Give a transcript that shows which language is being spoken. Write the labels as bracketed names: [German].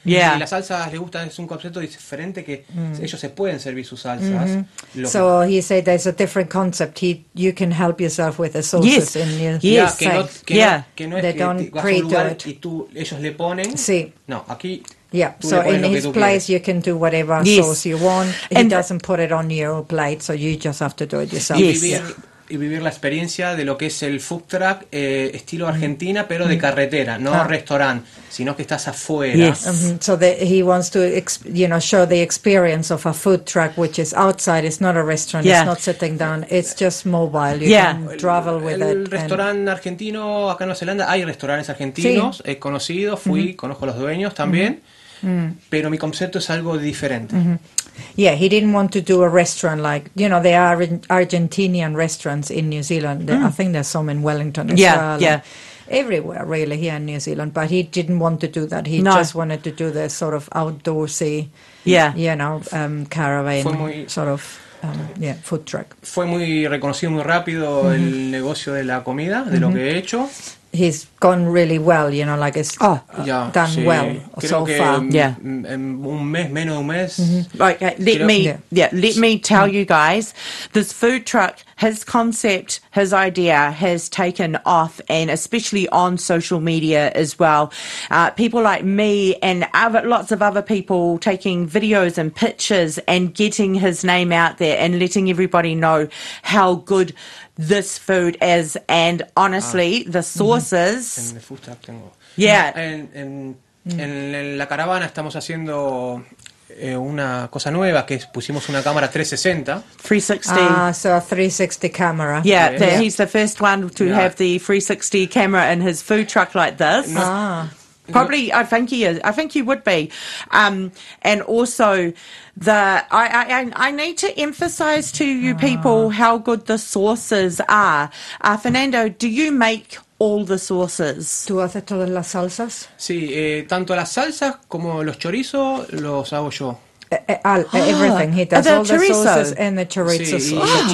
[Spanish] Y las salsas les gustan, es un concepto diferente que ellos se pueden servir sus salsas. [English] So he said there's a different concept. You can help yourself with the sauces in your They don't pre-do it. [Spanish] Y tú, ellos le ponen. Sí. No, aquí. [English] Yeah. So in his place, you can do whatever sauce you want. And he doesn't put it on your plate, so you just have to do it yourself. [Spanish] Y vivir la experiencia de lo que es el food truck estilo Argentina, pero de carretera, no restaurante, sino que estás afuera. [English] So that he wants to show the experience of a food truck, which is outside. It's not a restaurant. Yeah. It's not sitting down. It's just mobile. You can travel with [Spanish] El restaurante argentino acá en Nueva Zelanda, hay restaurantes argentinos. Sí. He conocido, fui, conozco a los dueños también. Pero mi concepto es algo diferente. [English] Yeah, he didn't want to do a restaurant like, you know, there are Argentinian restaurants in New Zealand. I think there's some in Wellington as well. Yeah, yeah. everywhere, really, here in New Zealand. But he didn't want to do that. He just wanted to do the sort of outdoorsy, you know, caravan, sort of, foot truck. [Spanish] Fue muy reconocido muy rápido el negocio de la comida, de lo que he hecho. [English] He's gone really well, you know, like it's done well so far. [Spanish] Un mes, menos de un mes. [English] Let me tell you guys, this food truck, his concept, his idea has taken off, and especially on social media as well. People like me and lots of other people taking videos and pictures and getting his name out there and letting everybody know how good this food is, and honestly, the sources. [Spanish] En el food truck tengo. [English] Yeah. [Spanish] En la caravana estamos haciendo una cosa nueva, que es, pusimos una cámara 360. 360. [English] So a 360 camera. Yeah, he's the first one to have the 360 camera in his food truck like this. Probably, I think he is. I think he would be. And also, I need to emphasize to you people how good the sauces are. Fernando, do you make all the sauces? [Spanish] ¿Tú haces todas las salsas? Sí, tanto las salsas como los chorizos los hago yo. [English] Everything he does, all the sauces and the chorizo sauces.